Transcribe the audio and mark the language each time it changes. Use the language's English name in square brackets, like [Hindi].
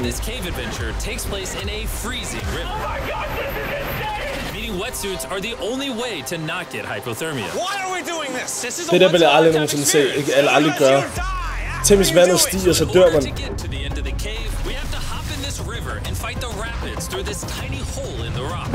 [English] This cave adventure takes place in a freezing river. Oh my god, this is insane! Meaning wetsuits are the only way to not get hypothermia. Why are we doing this? This is a one-time experience. [Danish] Det der vil jeg aldrig nogensinde se. Eller aldrig gøre. Tænk hvis vandet stiger, så dør man. [English] To get to the end of the cave, we have to hop in this river and fight the rapids through this tiny hole in the rock.